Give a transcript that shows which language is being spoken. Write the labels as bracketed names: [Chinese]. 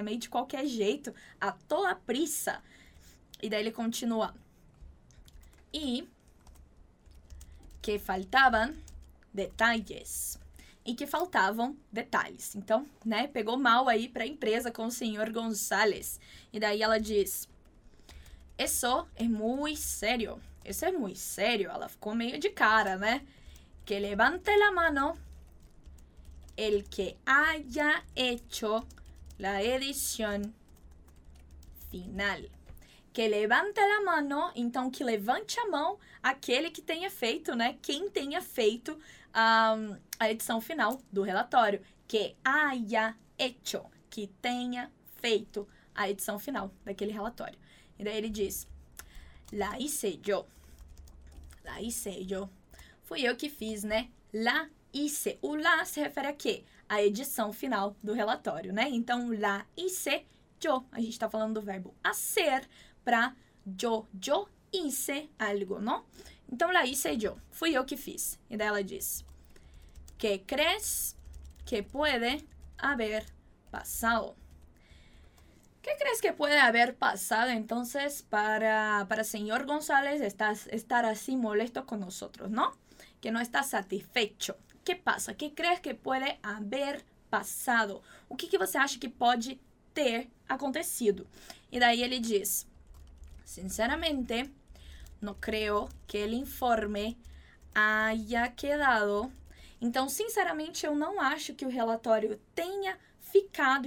[Portuguese] Meio de qualquer jeito, [Spanish] a toda prisa. [Portuguese] E daí ele continua. E que faltavam detalhes. E que faltavam detalhes. Então, né, pegou mal aí para a empresa com o senhor González. E daí ela diz: [Spanish] eso es muy serio. Eso es muy serio. [Portuguese] Ela ficou meio de cara, né? [Spanish] Que levante la mano el que haya hecho la edición final. Que levante la mano, [Portuguese] então que levante a mão aquele que tenha feito, né? Quem tenha feito a edição final do relatório. [Spanish] Que haya hecho, [Portuguese] que tenha feito a edição final daquele relatório. E daí ele diz: [Spanish] la hice yo. La hice yo. [Portuguese] Fui eu que fiz, né? [Spanish] La hice. [Portuguese] O la se refere a quê? A edição final do relatório, né? Então, [Spanish] la hice yo. [Portuguese] A gente tá falando do verbo a ser. Para [Spanish] yo hice algo, [Portuguese] não? Então, [Spanish] la hice yo. [Portuguese] Fui eu que fiz. E daí ela diz: [Spanish] ¿qué crees que puede haber pasado? ¿Qué crees que puede haber pasado? Entonces, para señor González, estar así molesto con nosotros, ¿no? Que no está satisfecho. ¿Qué pasa? ¿Qué crees que puede haber pasado? [Portuguese] O que, que você acha que pode ter acontecido? E daí ele diz: [Spanish] sinceramente, no creo que el informe haya quedado. [Portuguese] Então, sinceramente, eu não acho que o relatório tenha ficado.